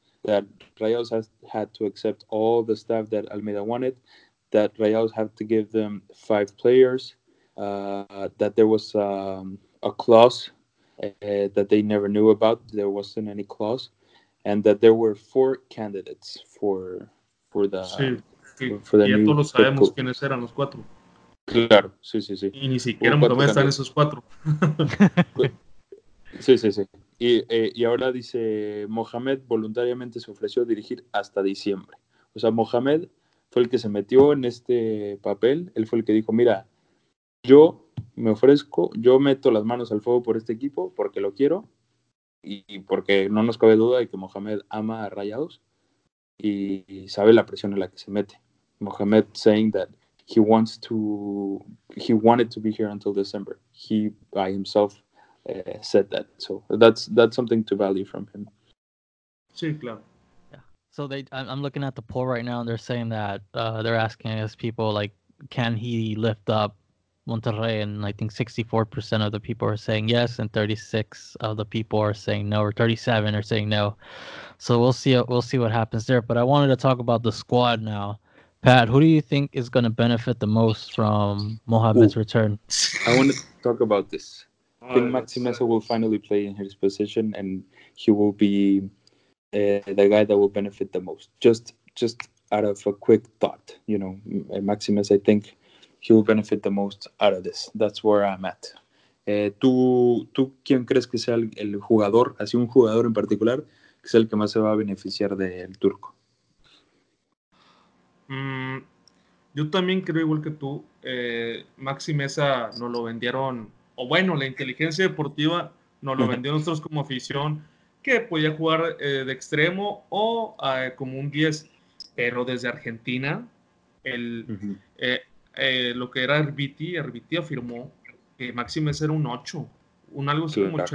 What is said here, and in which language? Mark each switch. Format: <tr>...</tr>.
<en>That Rayados has had to accept all the staff that Almeida wanted, that Rayados have to give them 5 players, that there was a clause that they never knew about. There wasn't any clause, and that there were four candidates for the</en> <es>new. Todos sabemos quiénes eran los cuatro. Claro, sí, sí, sí. Y ni siquiera me tomé estar esos cuatro. Sí, sí, sí. Y ahora dice, Mohamed voluntariamente se ofreció a dirigir hasta diciembre. O sea, Mohamed fue el que se metió en este papel. Él fue el que dijo, mira, yo me ofrezco, yo meto las manos al fuego por este equipo porque lo quiero y porque no nos cabe duda de que Mohamed ama a Rayados y sabe la presión en la que se mete.</es> <en>Mohamed saying that he wanted to be here until December. He by himself said that. So that's something to value from him.</en> <es>Sí, claro.</es> <en>Yeah. So I'm looking at the poll right now, and they're saying that they're asking us people like, can he lift up Monterrey? And I think 64% of the people are saying yes, and 36 of the people are saying no, or 37 are saying no. So we'll see what happens there. But I wanted to talk about the squad now. Pat, who do you think is going to benefit the most from Mohamed's return? I want to talk about this. I think Maxi Mesa will finally play in his position, and he will be the guy that will benefit the most. Just out of a quick thought, you know, Maxi Mesa, I think he will benefit the most out of this. That's where I'm at.</en> <es>¿Tú quién crees que sea el jugador, así un jugador en particular, que es el que más se va a beneficiar del turco? Yo también creo igual que tú, Maxi Mesa nos lo vendieron, o bueno, la inteligencia deportiva nos lo vendió a nosotros como afición, que podía jugar de extremo o como un 10, pero desde Argentina, lo que era Arbiti afirmó que Maxi Mesa era un 8, un algo así, sí, como claro.</es>